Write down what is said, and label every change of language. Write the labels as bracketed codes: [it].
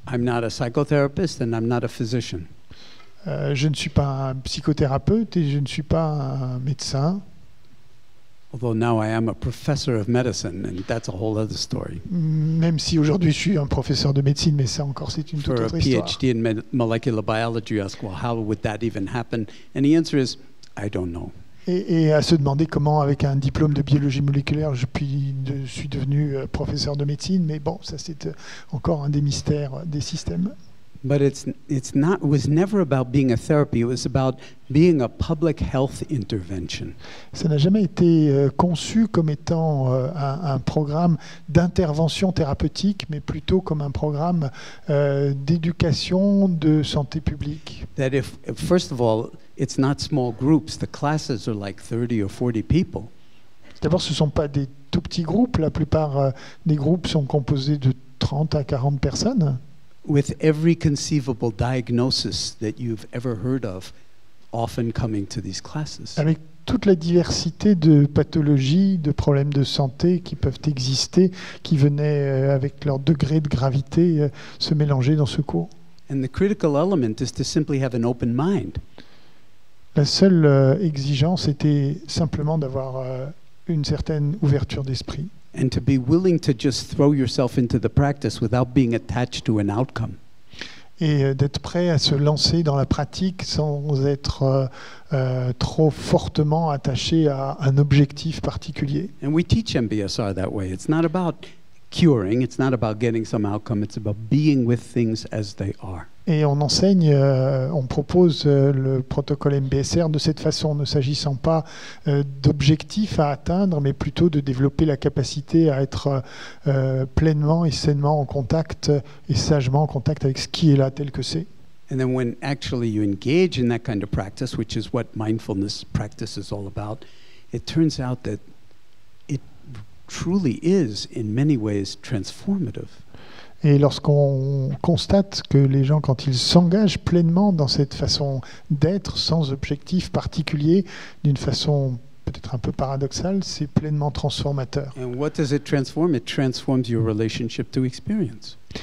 [en] I'm not a psychotherapist and I'm not a physician. [fr] Je ne suis pas un psychothérapeute et je ne suis pas un médecin. [en] Although now I am a professor of medicine and that's a whole other story. [fr] Même si aujourd'hui je suis un professeur de médecine, mais ça encore c'est une toute autre histoire. [en] For a PhD in molecular biology, you ask, well, how would that even happen? And the answer is, I don't know. [fr] Et à se demander comment, avec un diplôme de biologie moléculaire, je suis devenu professeur de médecine. Mais bon, ça, c'est encore un des mystères des systèmes. [en] But it was never about being a therapy. It was about being a public health intervention. [fr] Ça n'a jamais été conçu comme étant un programme d'intervention thérapeutique, mais plutôt comme un programme d'éducation de santé publique. [en] That if, first of all, it's not small groups. The classes are like 30 or 40 people. [fr] D'abord, ce ne sont pas des tout petits groupes. La plupart des groupes sont composés de 30 à 40 personnes. [en] With every conceivable diagnosis that you've ever heard of, often coming to these classes. [fr] Avec toute la diversité de pathologies, de problèmes de santé qui peuvent exister, qui venaient avec leur degré de gravité se mélanger dans ce cours. [en] And the critical element is to simply have an open mind. [fr] La seule exigence était simplement d'avoir une certaine ouverture d'esprit. [en] And to be willing to just throw yourself into the practice without being attached to an outcome. [fr] Et d'être prêt à se lancer dans la pratique sans être trop fortement attaché à un objectif particulier. [en] And we teach MBSR that way. It's not about curing, it's not about getting some outcome, it's about being with things as they are. [fr] Et on enseigne, on propose le protocole MBSR de cette façon, ne s'agissant pas d'objectifs à atteindre, mais plutôt de développer la capacité à être pleinement et sainement en contact et sagement en contact avec ce qui est là tel que c'est. [en] And then when actually you engage in that kind of practice, which is what mindfulness practice is all about, it turns out that it truly is in many ways transformative. [fr] Et lorsqu'on constate que les gens, quand ils s'engagent pleinement dans cette façon d'être, sans objectif particulier, d'une façon peut-être un peu paradoxale, c'est pleinement transformateur. [en] And what does it transform? It transforms your relationship to experience.